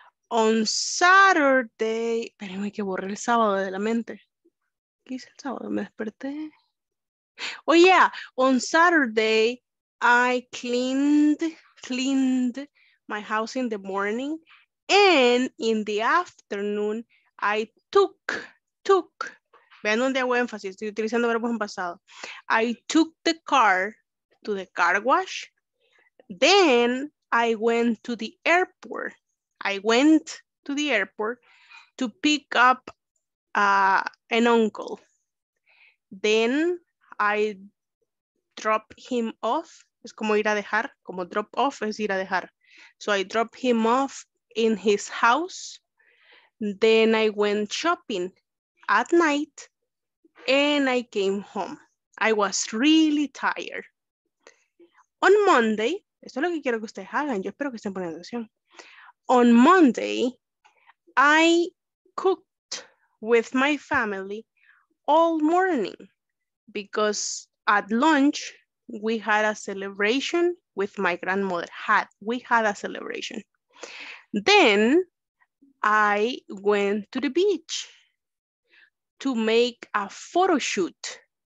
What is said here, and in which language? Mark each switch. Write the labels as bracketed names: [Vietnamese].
[English] On Saturday, [Spanish] espérenme que borré el sábado de la mente. ¿Qué hice el sábado? Me desperté. [English] Oh yeah, on Saturday, I cleaned my house in the morning, and in the afternoon, I took, [Spanish] vean donde hago énfasis, estoy utilizando verbos en pasado, [English] I took the car to the car wash, then I went to the airport, to pick up an uncle, then I dropped him off. [Spanish] Es como ir a dejar, como drop off es ir a dejar. [English] So I dropped him off in his house. Then I went shopping at night and I came home. I was really tired. On Monday, [Spanish] esto es lo que quiero que ustedes hagan. Yo espero que estén poniendo atención. [English] On Monday, I cooked with my family all morning because at lunch, we had a celebration with my grandmother. We had a celebration. Then I went to the beach to make a photo shoot.